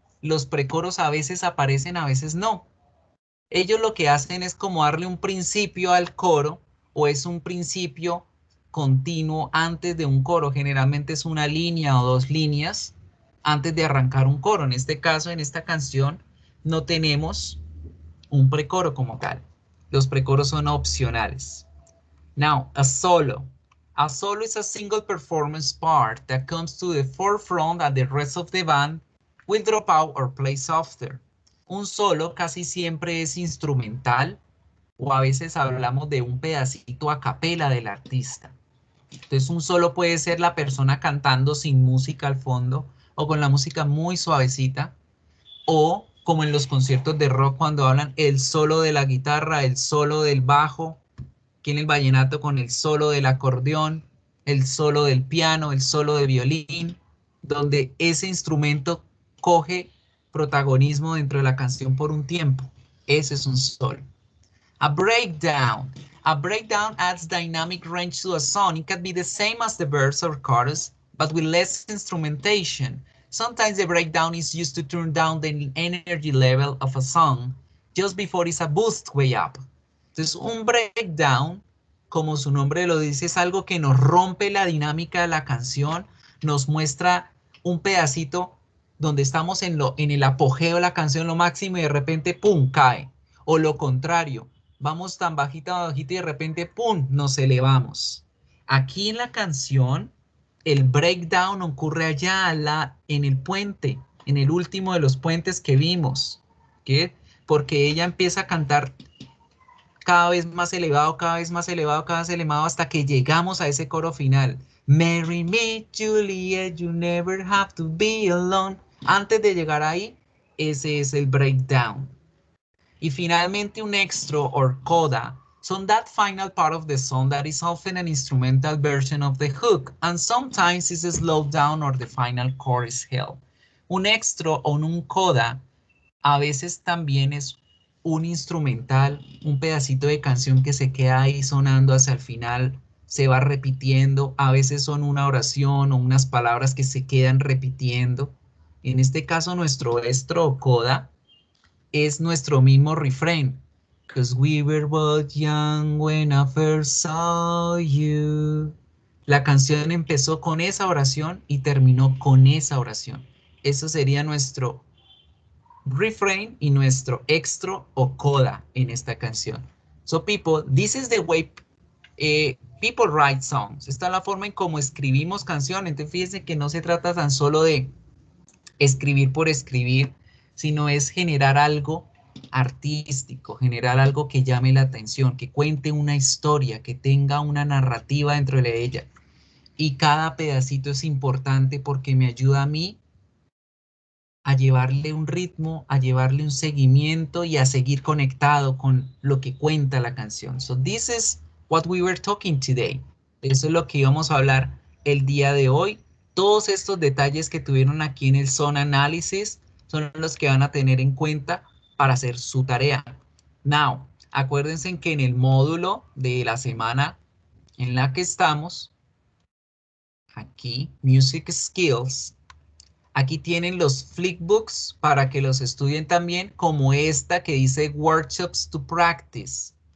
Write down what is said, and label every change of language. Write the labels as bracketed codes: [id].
[es] Los precoros a veces aparecen, a veces no. Ellos lo que hacen es como darle un principio al coro, o es un principio continuo antes de un coro. Generalmente es una línea o dos líneas antes de arrancar un coro. En este caso, en esta canción, no tenemos un precoro como tal. Los precoros son opcionales. [en] Now, a solo. A solo is a single performance part that comes to the forefront at the rest of the band will drop out or play softer. [es] Un solo casi siempre es instrumental, o a veces hablamos de un pedacito a capela del artista. Entonces un solo puede ser la persona cantando sin música al fondo, o con la música muy suavecita, o como en los conciertos de rock cuando hablan el solo de la guitarra, el solo del bajo, aquí en el vallenato con el solo del acordeón, el solo del piano, el solo de violín, donde ese instrumento coge protagonismo dentro de la canción por un tiempo. Ese es un solo. [en] A breakdown. A breakdown adds dynamic range to a song. It can be the same as the verse or chorus, but with less instrumentation. Sometimes the breakdown is used to turn down the energy level of a song just before it's a boost way up. [es] Entonces, un breakdown, como su nombre lo dice, es algo que nos rompe la dinámica de la canción, nos muestra un pedacito donde estamos en el apogeo de la canción, lo máximo, y de repente, ¡pum!, cae. O lo contrario, vamos tan bajita, bajita, y de repente, ¡pum!, nos elevamos. Aquí en la canción, el breakdown ocurre allá en el puente, en el último de los puentes que vimos, ¿qué? Porque ella empieza a cantar cada vez más elevado, cada vez más elevado, cada vez elevado, hasta que llegamos a ese coro final. [en] Marry me, Juliet, you never have to be alone. [es] Antes de llegar ahí, ese es el breakdown. Y finalmente un extra o coda. [en] So that final part of the song that is often an instrumental version of the hook, and sometimes it's a slowed down or the final chorus hell. [es] Un extra o un coda a veces también es un instrumental, un pedacito de canción que se queda ahí sonando hacia el final, se va repitiendo, a veces son una oración o unas palabras que se quedan repitiendo. En este caso nuestro extra o coda es nuestro mismo refrain. [en] Because we were both young when I first saw you. [es] La canción empezó con esa oración y terminó con esa oración. Eso sería nuestro refrain y nuestro extra o coda en esta canción. [en] So people, this is the way people write songs. [es] Esta es la forma en cómo escribimos canciones. Entonces fíjense que no se trata tan solo de escribir por escribir, sino es generar algo artístico, generar algo que llame la atención, que cuente una historia, que tenga una narrativa dentro de ella. Y cada pedacito es importante porque me ayuda a mí a llevarle un ritmo, a llevarle un seguimiento y a seguir conectado con lo que cuenta la canción. [en] So this is what we were talking today. [es] Eso es lo que íbamos a hablar el día de hoy. Todos estos detalles que tuvieron aquí en el Song Analysis son los que van a tener en cuenta para hacer su tarea. Now, acuérdense que en el módulo de la semana en la que estamos, aquí, Music Skills, aquí tienen los flipbooks para que los estudien también, como esta que dice Workshops to Practice.